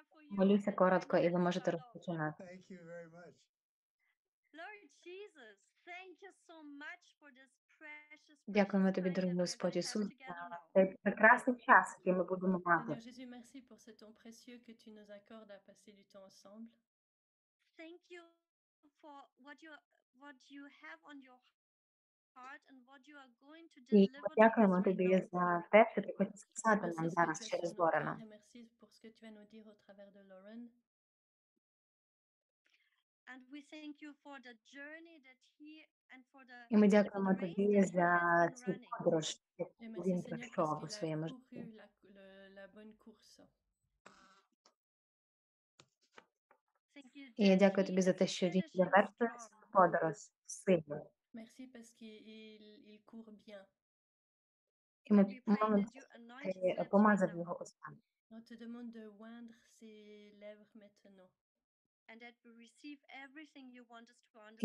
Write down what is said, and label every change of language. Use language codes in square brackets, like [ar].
[uk] Моліться коротко, і ви можете розпочинати. [en] Thank you very much. Lord Jesus, thank you so much for this precious. [uk] Дякуємо тобі, дорогий Господь Ісус, за цей прекрасний час, який ми будемо мати. [fr] Seigneur Jésus, merci pour ce temps précieux que tu nous accordes à passer du temps ensemble. [en] Thank you for what you have on your heart and what you are going to deliver. [uk] Дякуємо тобі за те, що ти хочеш сказати нам зараз через Лорена. [fr] Merci pour ce que tu vas nous dire au travers de Lauren. [en] And we thank you for the journey that he and for the. [uk] І ми дякуємо тобі за цю подорож, яку він пройшов у своєму житті. [fr] La bonne course. [uk] І я дякую тобі за те, що він завершує свою подорож сильно. [fr] Merci parce qu'il court bien. [uk] І ми можемо помазати його устами. [fr] On te demande de oindre ses lèvres maintenant. [en] And that we receive everything you want us to understand.